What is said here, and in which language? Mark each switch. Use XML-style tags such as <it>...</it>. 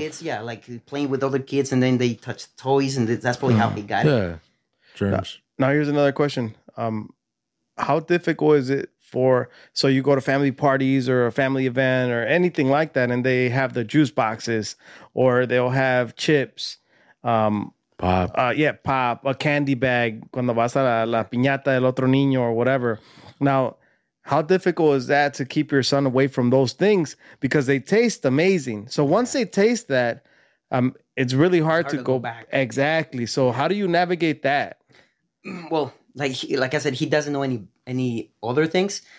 <en>Kids, yeah, like playing with other kids, and then they touch toys, and that's probably how he got it. Yeah, germs. Now here's another question. How difficult is it? So you go to family parties or a family event or anything like that, and they have the juice boxes, or they'll have chips, pop, a candy bag.</en> <es>Cuando vas a la piñata del otro niño</es> <en>or whatever. Now, how difficult is that to keep your son away from those things because they taste amazing? So once they taste that, it's really hard to go back. Exactly. So how do you navigate that? Well, like I said, he doesn't know any other things.</en>